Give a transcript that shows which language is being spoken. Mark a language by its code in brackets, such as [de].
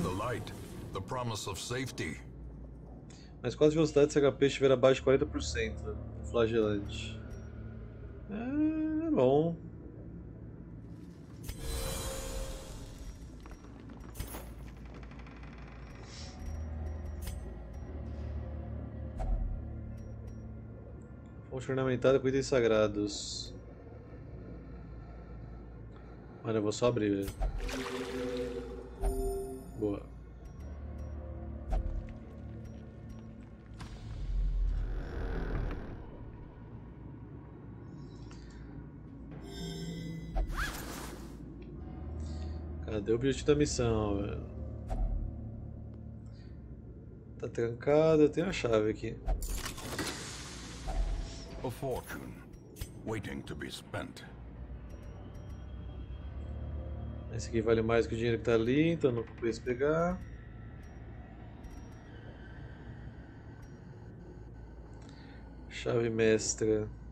[en] The light, the promise of safety. [pt] Mas quase velocidade se HP estiver abaixo de 40%. Flagelante. É bom. Fonte ornamentada com itens sagrados. Olha, eu vou só abrir. Boa. Cadê o objetivo da missão, velho? Tá trancado, eu tenho a chave aqui. [en] A fortune waiting to be spent. [pt] Esse aqui vale mais que o dinheiro que tá ali, então não compensa pegar. Chave mestra.